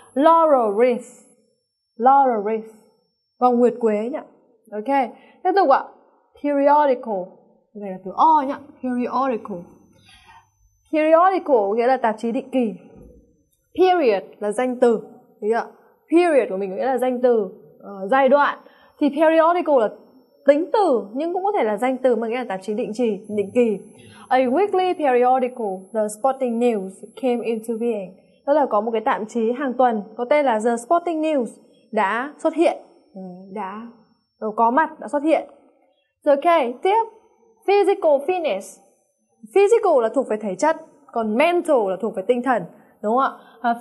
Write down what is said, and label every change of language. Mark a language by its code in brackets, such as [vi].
[vi] Laurel Wreath. Laurel Wreath. Vòng nguyệt quế nhỉ? Ok. Tiếp tục ạ. Periodical. Đây là từ O nhỉ? Periodical. Periodical nghĩa là tạp chí định kỳ. Period là danh từ. Đấy ạ. Period của mình nghĩa là danh từ. Giai đoạn. Thì periodical là tính từ, nhưng cũng có thể là danh từ mà nghĩa là tạp chí định trì, định kỳ. [en] A weekly periodical, The Sporting News, came into being. [vi] Đó là có một cái tạp chí hàng tuần có tên là The Sporting News đã xuất hiện, đã có mặt, đã xuất hiện. Ok, tiếp. Physical fitness. Physical là thuộc về thể chất, còn mental là thuộc về tinh thần, đúng không ạ?